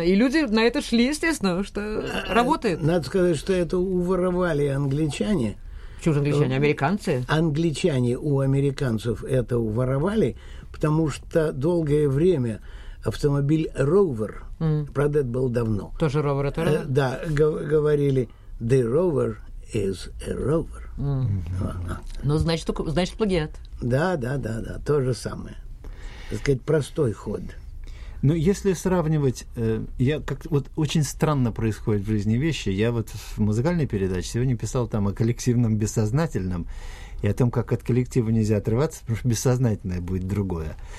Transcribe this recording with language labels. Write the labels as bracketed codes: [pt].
[ru] И люди на это шли, естественно, что работает. Надо сказать, что это уворовали англичане. Почему же англичане? Американцы? Англичане у американцев это уворовали, потому что долгое время автомобиль Rover, правда, это было давно. Тоже Rover, это Rover? Да, говорили [en] «The Rover is a Rover». [ru] Ну, значит, плагиат. Да, да, да, да, то же самое. Так сказать, простой ход. Ну, если сравнивать, я как-то, вот очень странно происходят в жизни вещи. Я вот в музыкальной передаче сегодня писал там о коллективном бессознательном и о том, как от коллектива нельзя отрываться, потому что бессознательное будет другое.